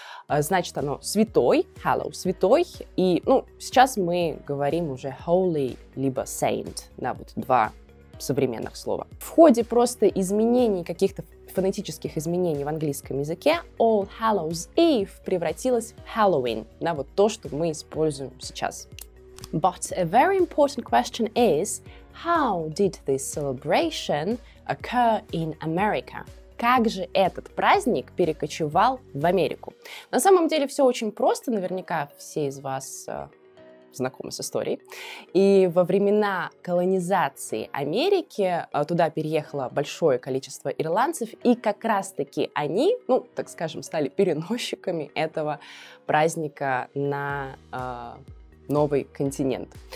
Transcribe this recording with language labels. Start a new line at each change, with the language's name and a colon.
Russian: Значит, оно святой, hello, святой. И, ну, сейчас мы говорим уже holy, либо saint, да, вот два современных слова. В ходе просто изменений, каких-то фонетических изменений в английском языке, All Hallows Eve превратилась в Halloween, да, вот то, что мы используем сейчас.
English: But a very important question is, how did this celebration occur in America?
Russian: Как же этот праздник перекочевал в Америку? На самом деле все очень просто, наверняка все из вас знакомы с историей. И во времена колонизации Америки туда переехало большое количество ирландцев, и как раз-таки они, ну, так скажем, стали переносчиками этого праздника на новый континент.